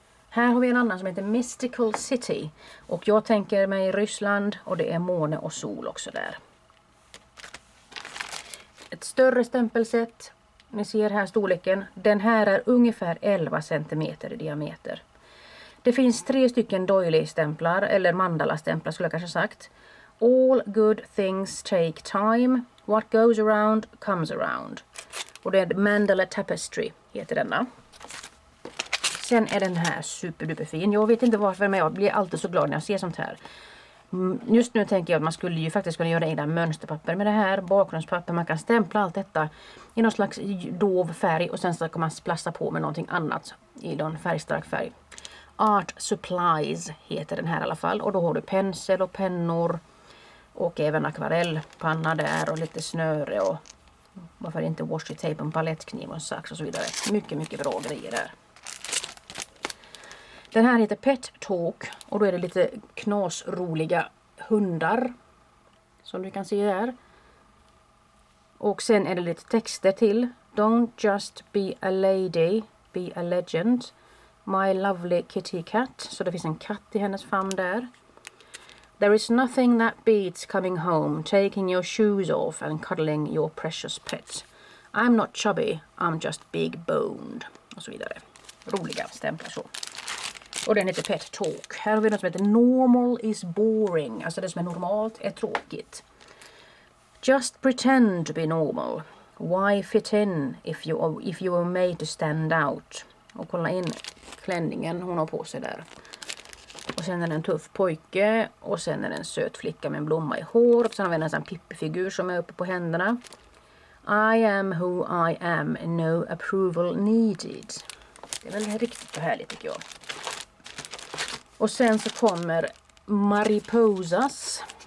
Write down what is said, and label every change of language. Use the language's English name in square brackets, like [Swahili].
[Swedish] Här har vi en annan som heter Mystical City. Och jag tänker mig Ryssland och det är måne och sol också där. Ett större stämpelset. Ni ser här storleken. Den här är ungefär 11 cm i diameter. Det finns 3 stycken doily-stämplar, eller mandala-stämplar skulle jag kanske sagt. [English] All good things take time. What goes around, comes around. [Swedish] Och det är Mandala Tapestry heter denna. Sen är den här superduper fin. Jag vet inte varför, men jag blir alltid så glad när jag ser sånt här. Just nu tänker jag att man skulle ju faktiskt kunna göra egna mönsterpapper med det här. Bakgrundspapper, man kan stämpla allt detta i någon slags dov färg. Och sen så kan man splassa på med någonting annat i någon färgstark färg. Art Supplies heter den här i alla fall. Och då har du pensel och pennor. Och även akvarellpanna där och lite snöre. Och varför inte washi tape, en palettkniv och en sax och så vidare. Mycket, mycket bra grejer där. Den här heter Pet Talk och då är det lite knasroliga hundar som du kan se där. Och sen är det lite texter till. [English] Don't just be a lady, be a legend. My lovely kitty cat. [Swedish] Så det finns en katt i hennes famn där. [English] There is nothing that beats coming home, taking your shoes off and cuddling your precious pet. I'm not chubby, I'm just big boned. [Swedish] Och så vidare. Roliga stämplar så. Och den heter Pet Talk. Här har vi något som heter [English] Normal is boring. [Swedish] Alltså det som är normalt är tråkigt. [English] Just pretend to be normal. Why fit in if you are made to stand out? [Swedish] Och kolla in klänningen hon har på sig där. Och sen är det en tuff pojke. Och sen är det en söt flicka med en blomma i hår. Och sen har vi en sån pippifigur som är uppe på händerna. [English] I am who I am. No approval needed. [Swedish] Det är väl riktigt härligt tycker jag. Och sen så kommer mariposas.